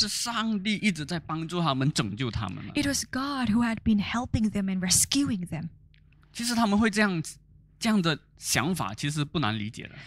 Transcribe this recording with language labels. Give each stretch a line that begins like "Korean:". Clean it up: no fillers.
Chinese: 是上帝一直在帮助他们，拯救他们。
English: It was God who had been helping them and rescuing them.
Chinese: 其实他们会这样的想法其实不难理解的。